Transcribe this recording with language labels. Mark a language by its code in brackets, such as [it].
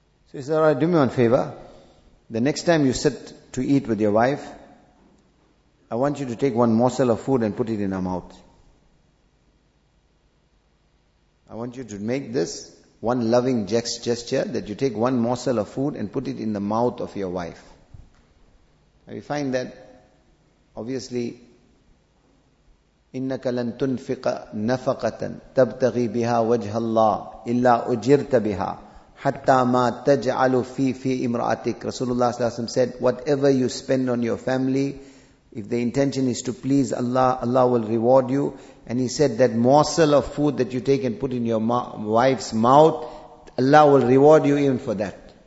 [en] So he said, all right, do me one favor. The next time you sit to eat with your wife, I want you to take one morsel of food and put it in her mouth. I want you to make this one loving gesture that you take one morsel of food and put it in the mouth of your wife. And we find that [ar] Obviously, إِنَّكَ لَن تُنْفِقَ نَفَقَةً تَبْتَغِي بِهَا وَجْهَ اللَّهِ إِلَّا أُجِرْتَ بِهَا حَتَّى مَا تَجْعَلُ فِي إِمْرَأَتِكَ. [en] Rasulullah said, whatever you spend on your family, if the intention is to please Allah, Allah will reward you. And he said, that morsel of food that you take and put in your wife's mouth, Allah will reward you even for that.